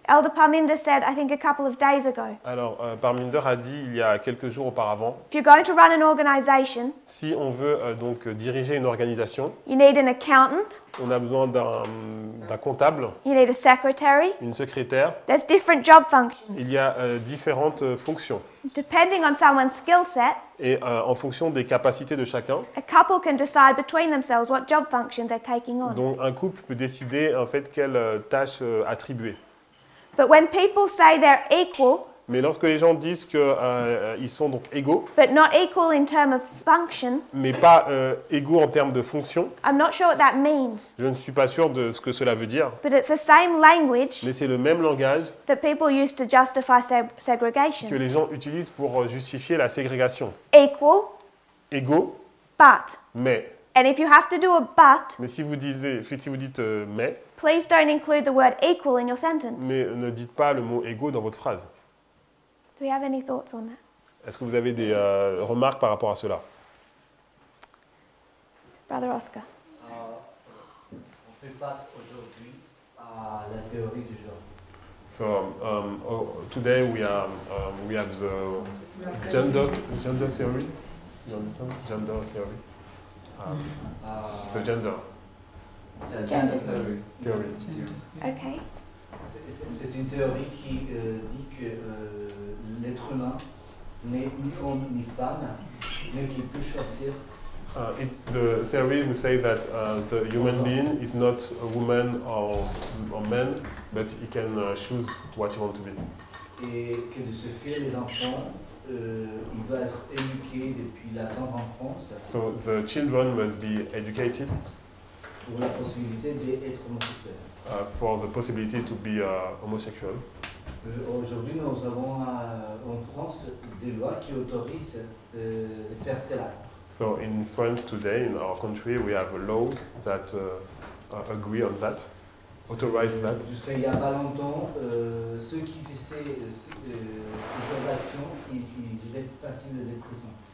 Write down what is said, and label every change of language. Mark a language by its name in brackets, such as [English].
[English] Elder Parminder said, I think a couple of days ago. [French] Alors, Parminder a dit il y a quelques jours auparavant. [English] If you're going to run an organization, [French] si on veut donc diriger une organisation, [English] you need an accountant. [French] On a besoin d'un comptable. [English] You need a secretary. [French] Une secrétaire. [English] There's different job functions. [French] Il y a différentes fonctions. [English] Depending on someone's skill set. [French] Et en fonction des capacités de chacun. [English] A couple can decide between themselves what job function they're taking on. [French] Donc un couple peut décider en fait quelle tâche attribuer. [English] But when people say they're equal. [French] Mais lorsque les gens disent que ils sont donc égaux. [English] But not equal in term of function. [French] Mais pas égaux en termes de fonction. [English] I'm not sure what that means. [French] Je ne suis pas sûr de ce que cela veut dire. [English] But it's the same language. [French] Mais c'est le même langage. [English] That people use to justify segregation. [French] Que les gens utilisent pour justifier la ségrégation. [English] Equal. [French] Égaux. [English] But. [French] Mais. [English] And if you have to do a but. [French] Mais si vous dites mais. [English] Please don't include the word equal in your sentence. [French] Mais ne dites pas le mot égaux dans votre phrase. [English] Do we have any thoughts on that? [French] Est-ce que vous avez des remarques par rapport à cela? [English] Brother Oscar. [French] On fait face aujourd'hui à la théorie du genre. [English] So today we have the gender theory. You understand? Gender theory. The gender. Gender theory. Okay. [French] C'est une théorie qui dit que l'être humain n'est ni homme ni femme, mais qu'il peut choisir [English] It's the theory who say that the human being is not a woman or man, but he can choose what he wants to be. [French] Et que de ce fait, les enfants, il doit être éduqué depuis la tendre enfance. [English] So the children must be educated. [French] Pour la possibilité d'être homosexuel. [English] For the possibility to be homosexual. [French] Aujourd'hui, nous avons en France des lois qui autorisent de faire cela. [English] So in France today, in our country, we have laws that agree on that, authorize that. [French] Jusqu'à il y a pas longtemps, ceux qui faisaient ce genre d'action, ils étaient passibles de prison.